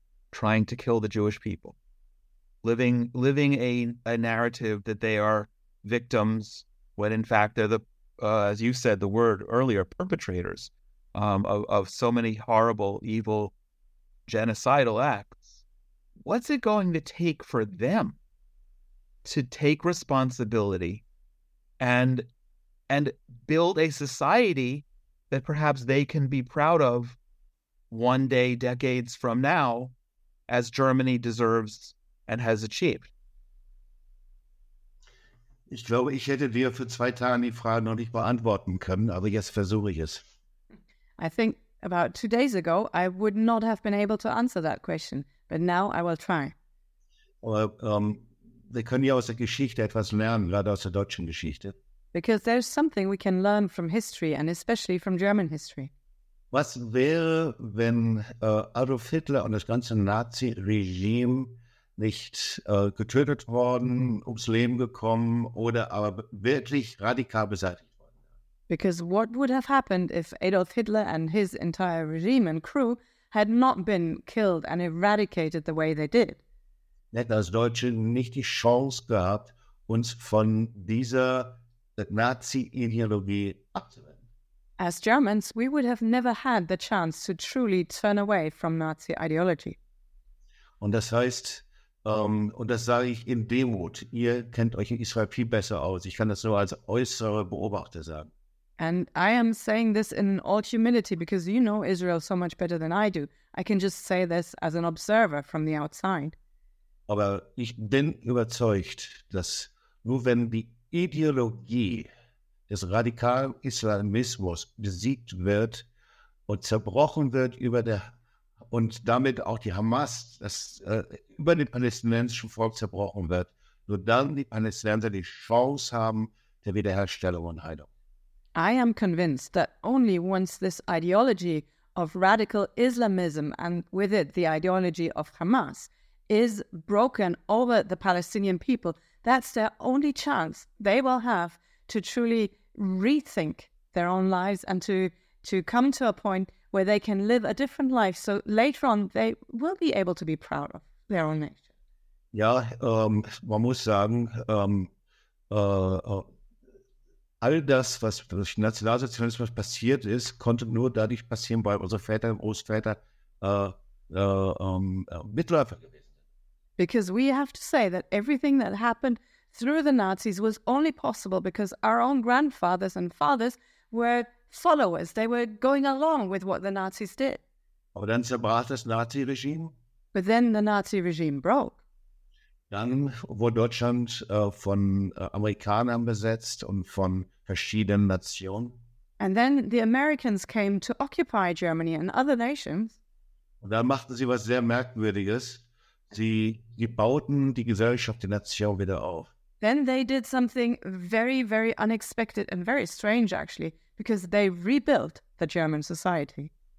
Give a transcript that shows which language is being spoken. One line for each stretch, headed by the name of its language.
English: trying to kill the Jewish people, living a narrative that they are victims, when in fact they're the, as you said the word earlier, perpetrators of so many horrible, evil, genocidal acts, what's it going to take for them to take responsibility and build a society that perhaps they can be proud of one day, decades from now, as Germany deserves and has achieved?
German: Ich glaube, ich hätte dir für 2 Tage die Frage noch nicht beantworten können, aber jetzt versuche ich es.
English: I think about 2 days ago, I would not have been able to answer that question, but now I will try.
German: Wir können ja aus der Geschichte etwas lernen, gerade aus der deutschen Geschichte.
English: Because there's something we can learn from history and especially from German history.
German: Was wäre, wenn Adolf Hitler und das ganze Nazi-Regime nicht getötet worden, ums Leben gekommen oder aber wirklich radikal beseitigt worden?
English: Because what would have happened if Adolf Hitler and his entire regime and crew had not been killed and eradicated the way they did?
German: Hätten als Deutsche nicht die Chance gehabt, uns von dieser Nazi-Ideologie abzuwenden.
English: As Germans, we would have never had the chance to truly turn away from Nazi ideology.
German: Und das heißt, und das sage ich in Demut, ihr kennt euch in Israel viel besser aus. Ich kann das nur als äußere Beobachter sagen.
English: And I am saying this in all humility because you know Israel so much better than I do. I can just say this as an observer from the outside.
German: Aber ich bin überzeugt, dass nur wenn die Ideologie des radikalen Islamismus besiegt wird und zerbrochen wird über der und damit auch die Hamas, das über den palästinensischen Volk zerbrochen wird, nur dann die Palästinenser die Chance haben der Wiederherstellung und Heilung.
English: I am convinced that only once this ideology of radical Islamism and with it the ideology of Hamas is broken over the Palestinian people, that's their only chance they will have to truly rethink their own lives and to come to a point where they can live a different life. So later on, they will be able to be proud of their own nation.
German: Ja, man muss sagen, All das, was durch Nationalsozialismus passiert ist, konnte nur dadurch passieren, weil unsere Väter und Großväter Mitläufer gewesen sind.
English: Because we have to say that everything that happened through the Nazis was only possible because our own grandfathers and fathers were followers. They were going along with what the Nazis did.
German: Aber dann zerbrach das Nazi-Regime.
English: But then the Nazi regime broke.
German: Dann wurde Deutschland von Amerikanern besetzt und von verschiedenen Nationen.
English: And then the Americans came to occupy Germany and other nations.
German: Und dann machten sie was sehr Merkwürdiges. Sie bauten die Gesellschaft, die Nation wieder auf.
English: Then they did something very, very unexpected and very strange, actually, because they rebuilt the German society.